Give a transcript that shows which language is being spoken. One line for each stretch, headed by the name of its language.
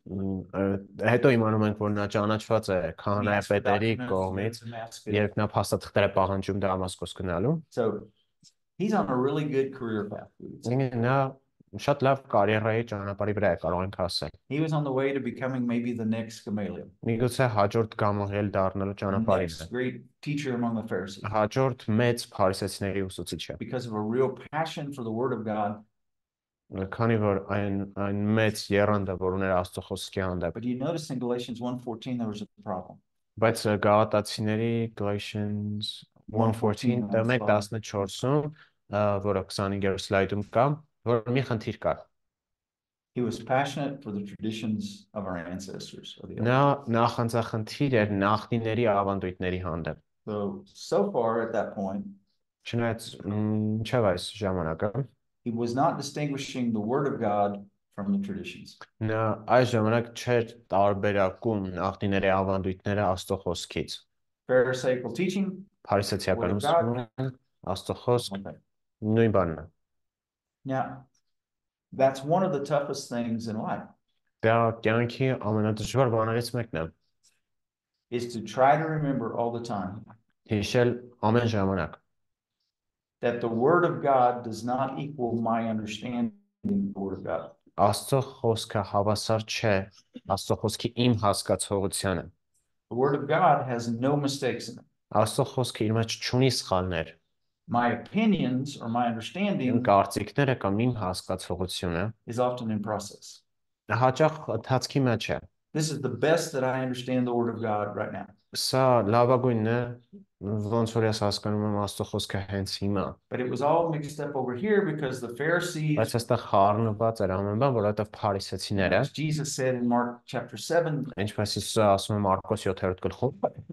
Armenian: Հետո իմանում ենք, որ նա ճանաչված է քահանայապետերի կողմից, երբ նա փաստաթղթերը պահանջում Դամասկոս գնալու։
English: So he's on a really good career path.
Armenian: Նա շատ լավ կարիերայի ճանապարհի վրա է, կարող ենք ասել։
English: He was on the way to becoming maybe the next Gamaliel.
Armenian: Միգուցե հաջորդ Գամալիել դառնալու ճանապարհին։
English: The next great teacher among the Pharisees.
Armenian: Հաջորդ մեծ փարիսեցիների ուսուցիչը։
English: Because of a real passion for the word of God.
Armenian: Քանի որ այն մեծ եռանդը, որ ուներ Աստծո խոսքի հանդեպ։
English: But you notice in Galatians 1:14 there was a problem.
Armenian: Բայց Գաղատացիների Galatians 1:14 դեմեք 14-ում, որը 25-րդ սլայդում կա, որ մի խնդիր կա։
English: He was passionate for the traditions of our ancestors.
Armenian: Նա նախանձախնդիր էր նախնիների ավանդույթների հանդեպ։
English: So far at that point,
Armenian: չնայած մինչև այս ժամանակը,
English: he was not distinguishing the word of God from the traditions.
Armenian: Նա այս ժամանակ չէր տարբերակում նախնիների ավանդույթները Աստծո խոսքից։
English: Pharisaical teaching,
Armenian: փարիսեցիական ուսուցումը, Աստծո խոսք, նույն բանն է։
English: Now, that's one of the toughest things in life.
Armenian: Դա կյանքի ամենադժվար բաներից մեկն է։
English: Is to try to remember all the time.
Armenian: Հիշել ամեն ժամանակ։
English: That the word of God does not equal my understanding of the word of God.
Armenian: Աստծո խոսքը հավասար չէ Աստծո խոսքի իմ հասկացողությանը։
English: The word of God has no mistakes in it.
Armenian: Աստծո խոսքը իր մեջ չունի սխալներ։
English: My opinions or my understanding,
Armenian: իմ կարծիքները կամ իմ հասկացողությունը,
English: is often in process.
Armenian: Հաճախ ընթացքի մեջ է։
English: This is the best that I understand the word of God right now.
Armenian: Սա լավագույնն է, ոնց որ ես հասկանում եմ Աստծո խոսքը հենց հիմա։
English: But it was all mixed up over here because the Pharisees,
Armenian: բայց այստեղ խառնված էր ամեն բան, որովհետև փարիսեցիները,
English: Jesus said in Mark chapter 7,
Armenian: ինչպես Հիսուսը ասում է Մարկոս 7-րդ գլխում,